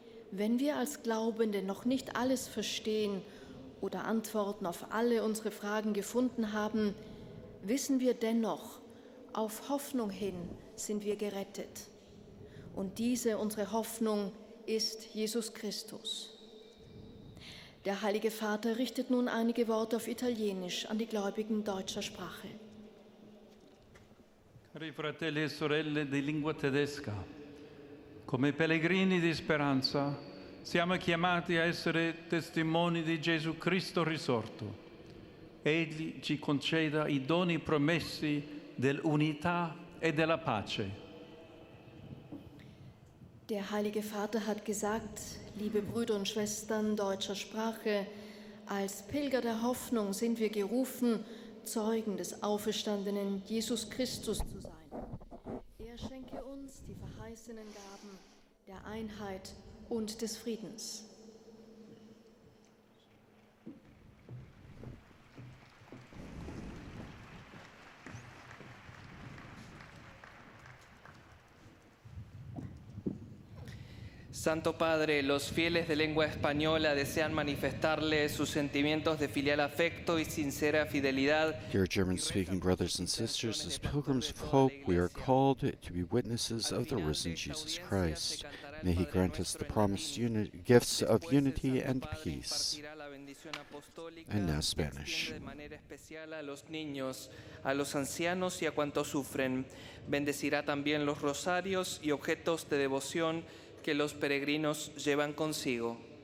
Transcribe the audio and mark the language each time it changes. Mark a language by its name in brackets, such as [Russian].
[German] Wenn wir als Glaubende noch nicht alles verstehen oder Antworten auf alle unsere Fragen gefunden haben, wissen wir dennoch, auf Hoffnung hin sind wir gerettet. Und diese, unsere Hoffnung, ist Jesus Christus. Der Heilige Vater richtet nun einige Worte auf Italienisch an die Gläubigen deutscher Sprache. [Italian] Cari fratelli e sorelle di lingua tedesca, come pellegrini di speranza, siamo chiamati a essere testimoni di Gesù Cristo risorto. Egli ci conceda i doni promessi dell'unità e della pace. [German] Der Heilige Vater hat gesagt, liebe Brüder und Schwestern deutscher Sprache, als Pilger der Hoffnung sind wir gerufen, Zeugen des auferstandenen Jesus Christus zu sein. Schenke uns die verheißenen Gaben der Einheit und des Friedens. [Spanish] Santo Padre, los fieles de lengua española desean manifestarle sus sentimientos de filial afecto y sincera fidelidad. [English] Dear German-speaking brothers and sisters, as pilgrims of hope, we are called to be witnesses of the risen Jesus Christ. May he grant us the promised gifts of unity and peace. And now Spanish. [Spanish] A los ancianos y a cuantos sufren, bendecirá también los rosarios y objetos de devoción que los peregrinos llevan consigo.